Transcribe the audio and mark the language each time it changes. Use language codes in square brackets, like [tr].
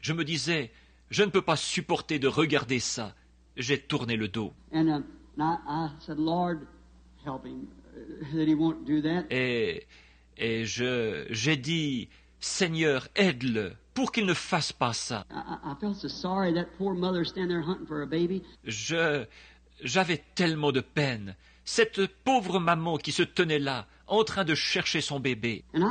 [fr] Je me disais, je ne peux pas supporter de regarder ça. J'ai tourné le dos. [en] And I said, Lord, help him, that he won't do that. [fr] J'ai dit, Seigneur, aide-le pour qu'il ne fasse pas ça. [en] I felt so sorry that poor mother stand there hunting for a baby. [fr] J'avais tellement de peine. Cette pauvre maman qui se tenait là, en train de chercher son bébé.